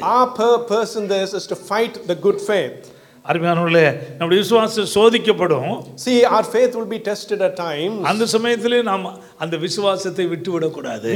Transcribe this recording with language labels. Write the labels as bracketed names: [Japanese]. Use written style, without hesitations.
[English] Our purpose in this is to fight the good faith. [Tamil] அருமையானவர்களே, நம்முடைய விசுவாசம் சோதிக்கப்படும். [English] See, our faith will be tested at times. [Tamil] அந்த சமயத்திலே நாம் அந்த விசுவாசத்தை விட்டுவிடக் கூடாது.